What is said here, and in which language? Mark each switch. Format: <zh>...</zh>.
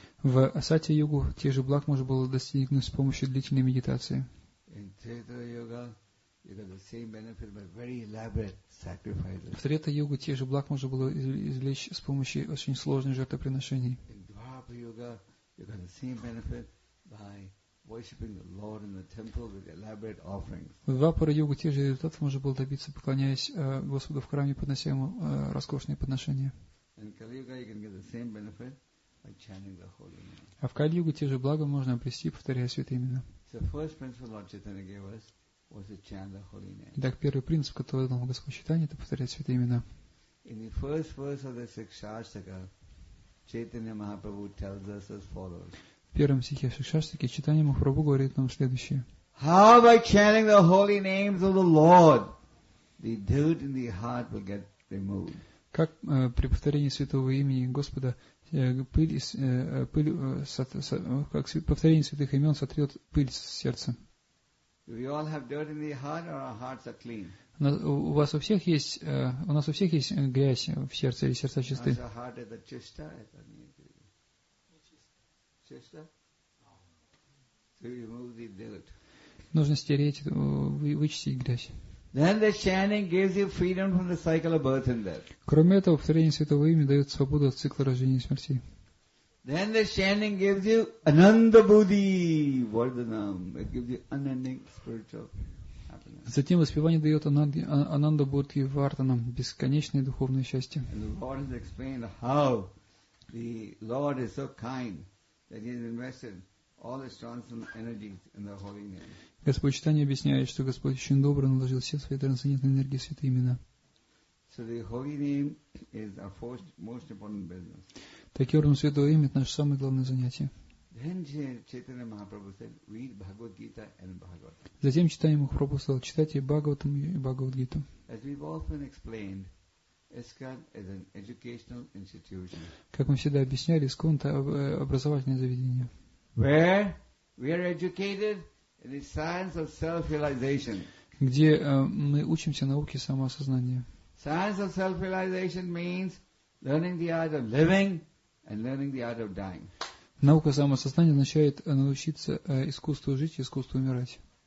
<ru>В Сатья-йогу тех же благ можно было достигнуть с помощью длительной медитации.</ru> <en>In Трета-йога, you got the same benefit by very elaborate sacrifices.</en> <ru>В Трета-йогу тех же благ можно было извлечь с помощью очень сложных жертвоприношений.</ru> <en>Yoga, you got the same benefit by worshipping the Lord in the temple with elaborate offerings.</en> <ru>Двапара йогу те же результаты можно было добиться, поклоняясь Господу в храме, поднося ему роскошные подношения.</ru> <en>In Kali Yuga, you can get the same benefit by chanting the holy name.</en> <ru>А в Кали Югу те же блага можно обрести, повторяя святые имена.</ru> <en>The first principle Lord Chaitanya gave us was to chant the holy name.</en> <ru>Итак, первый принцип, который дал Господь Чайтанья, это повторять святые имена.</ru> <en>In the first verse of the Shikshashtaka, Chaitanya Mahaprabhu tells us as follows.</en> <ru>В первом стихе Шикшаштаки Чайтанья Махапрабху говорит нам следующее.</ru> <en>How by chanting the holy names of the Lord, the dirt in the heart will get removed.</en> <ru>Как при повторении святого имени Господа повторение святых имен сотрет пыль с сердца.</ru> <en>Do we all have dirt in the heart, or our hearts are clean?</en> <ru>У нас у всех есть грязь в сердце или сердца чисты? Наша heart это чиста, это не чиста. Чиста?</ru> <en>So remove the dirt.</en> <ru>Нужно стереть, вычистить грязь.</ru> <en>Then the chanting gives you freedom from the cycle of birth and death.</en> <ru>Кроме этого, повторение святого имени дает свободу от цикла рождения и смерти.</ru> <en>Then the chanting gives you ananda buddhi vardhanam. It gives you unending spiritual.</en> <ru>Затем воспевание дает Ананда Бхурти Вартанам бесконечное духовное счастье.</ru> <en>And the Lord has explained how the Lord is so kind that He has invested all His transcendental energies in the holy name.</en> <ru>Господь Чайтанья объясняет, что Господь очень добрый, наложил все свои трансцендентные энергии в святые имена.</ru> <en>So the holy name is our first, most important business.</en> <ru>Таким образом, святое имя – это наше самое главное занятие.</ru> <en>Then Chaitanya Mahaprabhu said, read Bhagavad Gita and Bhagavatam.</en> <ru>Затем Чайтанья Махапрабху сказал, читайте Бхагаватам и Бхагавадгиту.</ru> <en>As we've often explained, ISKCON is an educational institution.</en> <ru>Как мы всегда объясняли, ISKCON – это образовательное заведение.</ru> <en>Where we are educated in the science of self-realization.</en> <ru>Где мы учимся науке самоосознания.</ru> <en>Science of self-realization means learning the art of living and learning the art of dying.</en> <ru>Наука самосознания означает научиться искусству жить и искусству умирать.</ru>